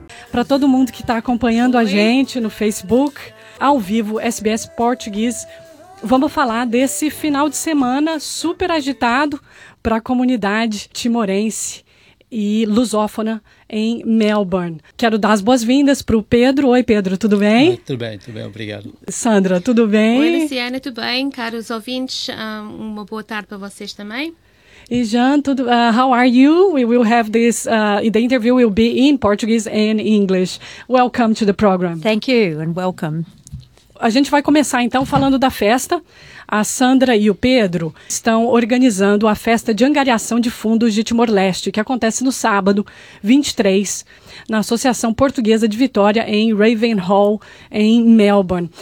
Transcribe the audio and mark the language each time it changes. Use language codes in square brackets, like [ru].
[pt] Para todo mundo que está acompanhando a gente no Facebook, ao vivo, SBS Português, vamos falar desse final de semana super agitado para a comunidade timorense e lusófona em Melbourne. Quero dar as boas-vindas para o Pedro. Oi, Pedro, tudo bem? Oi, tudo bem, obrigado. Sandra, tudo bem? Oi, Luciana, tudo bem? Caros ouvintes, uma boa tarde para vocês também. [en] E Jean, tudo, how are you? We will have this, the interview will be in Portuguese and English. Welcome to the program. Thank you and welcome. [pt] A gente vai começar então falando da festa. A Sandra e o Pedro estão organizando a festa de angariação de fundos de Timor-Leste, que acontece no sábado 23, na Associação Portuguesa de Vitória, em Ravenhall, em Melbourne.